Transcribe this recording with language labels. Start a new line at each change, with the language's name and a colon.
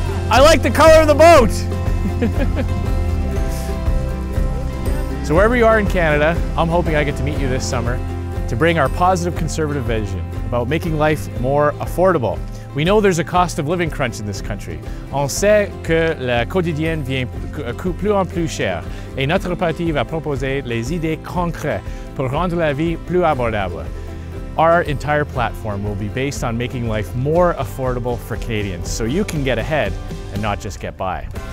English: I like the color of the boat. So wherever you are in Canada, I'm hoping I get to meet you this summer to bring our positive conservative vision about making life more affordable. We know there's a cost of living crunch in this country.
French: On sait que le quotidien vient plus en plus cher. Et notre parti va proposer les idées concrètes pour rendre la vie plus abordable.
English: Our entire platform will be based on making life more affordable for Canadians so you can get ahead and not just get by.